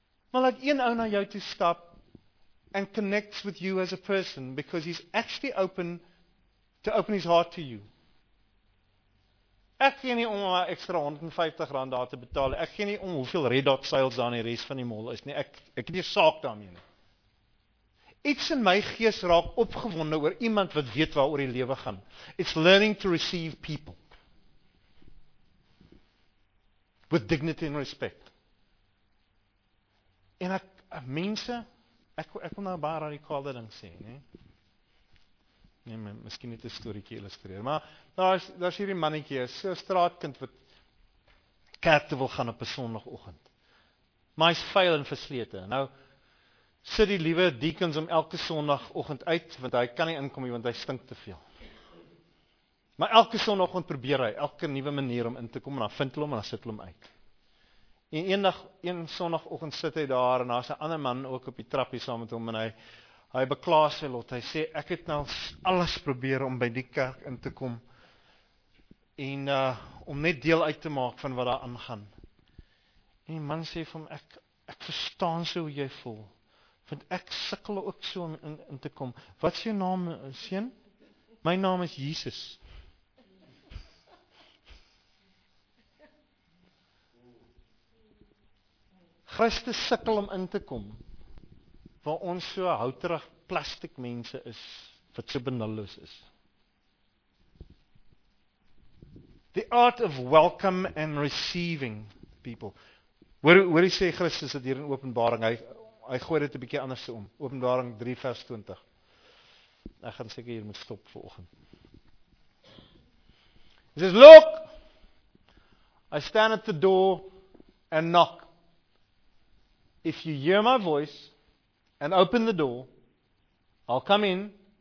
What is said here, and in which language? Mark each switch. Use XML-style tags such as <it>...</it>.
<af>Maar laat een ou na jou toe stap</af> <en>and connects with you as a person because he's actually open to open his heart to you.</en> <af>Ek gee nie om my extra R150 daar te betaal. Ek gee nie om hoeveel Red Dot sales daar in die rest van die mall is nie. Ek het nie saak daarmee nie. Iets in my gees raak opgewonde oor iemand wat weet waaroor die lewe gaan.</af> <en>It's learning to receive people with dignity and respect.</en> <af>En ek, mense, ek wil nou baie radikale ding sê, nee, maar miskien net 'n storiekie illustreer, maar daar is hierdie mannetjie, so 'n straatkind wat kerk te wil gaan op 'n sonoggend. Maar hy's vuil en verslete. Nou, sit die liewe deacons om elke sonoggend uit, want hy kan nie inkom nie, want hy stink te veel. Maar elke sonoggend probeer hy, elke nuwe manier om in te kom, en dan vind hulle hom, en dan sit hulle hom uit. En een sonoggend sit hy daar en daar's 'n ander man ook op die trappie saam met hom en hy bekla sy lot. Hy sê ek het nou alles probeer om by die kerk in te kom en om net deel uit te maak van wat daar aangaan. En die man sê vir hom ek verstaan so hoe jy voel. Want ek sukkel ook so om in te kom. Wat is jou naam, seun? My naam is Jesus. Christus sukkel om in te kom, waar ons so houterig plastic mense is, wat so benulloos is.</af> <en>The art of welcome and receiving people.</en> <af>Hoor hoe sê Christus dit hier in Openbaring, hy gooi dit 'n bietjie anders om. Openbaring 3 vers 20. Ek gaan seker hier moet stop vir oggend.</af> <en>He says, look, I stand at the door and knock. If you hear my voice and open the door, I'll come in.</en>